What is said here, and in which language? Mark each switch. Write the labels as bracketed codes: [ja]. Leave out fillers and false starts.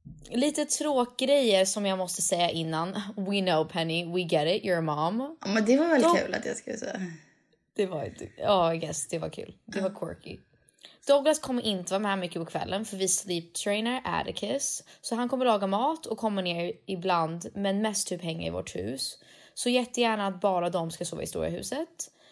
[sv] Lite tråkgrejer som jag måste säga innan. [en] We know Penny, we get it, you're a mom. [sv] Ja, men det var väl kul att jag skulle säga. Det var inte, ja, [en] oh, yes, [sv] det var kul. Det var quirky. Douglas kommer inte vara med mycket på kvällen för vi [en] sleep trainer [sv] Atticus. Så han kommer laga mat och kommer ner ibland, men mest typ hänger i vårt hus. Så jättegärna att bara de ska sova i stora huset.